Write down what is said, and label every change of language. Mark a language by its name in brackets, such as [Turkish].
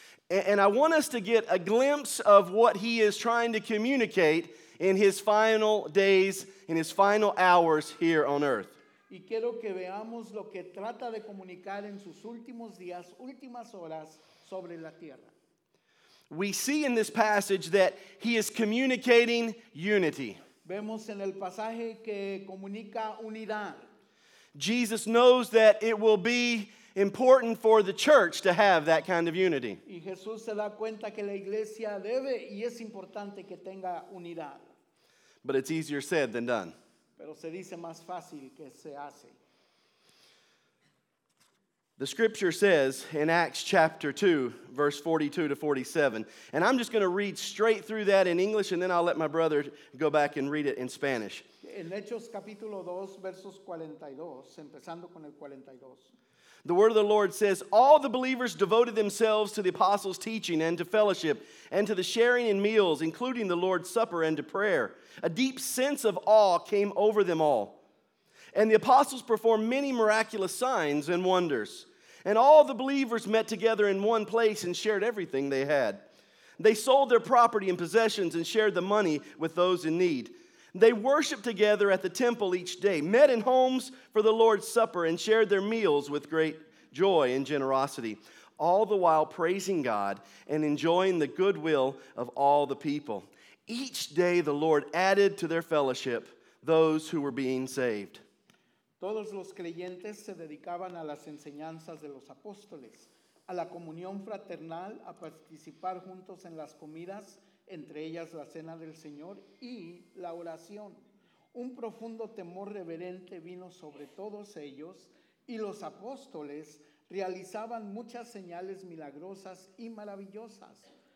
[English] And I want us to get a glimpse of what he is trying to communicate in his final days, in his final hours here on earth. [Spanish] Y quiero que veamos lo que trata de comunicar en sus últimos días, últimas horas sobre la tierra. [English] We see in this passage that he is communicating unity. [Spanish] Vemos en el pasaje que comunica unidad. [English] Jesus knows that it will be important for the church to have that kind of unity. [Spanish] Y Jesús se da cuenta que la iglesia debe y es importante que tenga unidad. [English] But it's easier said than done. [Spanish] Pero se dice más fácil que se hace. [English] The scripture says in Acts chapter 2, verse 42 to 47, and I'm just going to read straight through that in English, and then I'll let my brother go back and read it in Spanish. [Spanish] En Hechos capítulo 2, versos 42, empezando con el 42. [English] The word of the Lord says, all the believers devoted themselves to the apostles' teaching and to fellowship and to the sharing in meals, including the Lord's Supper and to prayer. A deep sense of awe came over them all. And the apostles performed many miraculous signs and wonders. And all the believers met together in one place and shared everything they had. They sold their property and possessions and shared the money with those in need. They worshiped together at the temple each day, met in homes for the Lord's Supper, and shared their meals with great joy and generosity, all the while praising God and enjoying the goodwill of all the people. Each day the Lord added to their fellowship those who were being saved. [Spanish] Todos los creyentes se dedicaban a las enseñanzas de los apóstoles, a la comunión fraternal, a participar juntos en las comidas, entre ellas la cena del Señor y la oración. Un profundo temor reverente vino sobre todos ellos, y los apóstoles realizaban muchas señales milagrosas y maravillosas.